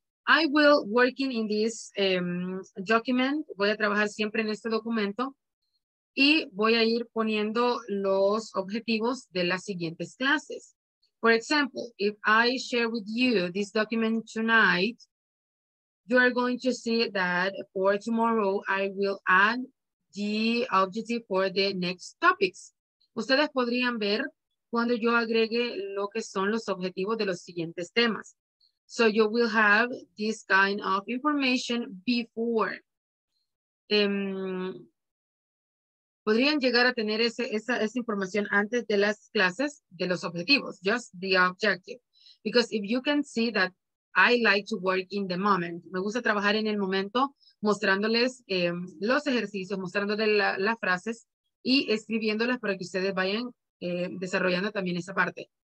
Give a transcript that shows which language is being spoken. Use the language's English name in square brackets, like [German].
[English] I will working in this document, [Spanish] voy a trabajar siempre en este documento, y voy a ir poniendo los objetivos de las siguientes clases. [English] For example, if I share with you this document tonight, you are going to see that for tomorrow, I will add the objective for the next topics. [Spanish] Ustedes podrían ver cuando yo agregue lo que son los objetivos de los siguientes temas. [English] So you will have this kind of information before. [Spanish] Podrían llegar a tener esa información antes de las clases de los objetivos, [English] just the objective. Because if you can see that I like to work in the moment, [Spanish] me gusta trabajar en el momento mostrándoles los ejercicios, mostrándoles las frases y escribiéndolas para que ustedes vayan desarrollando también esa parte.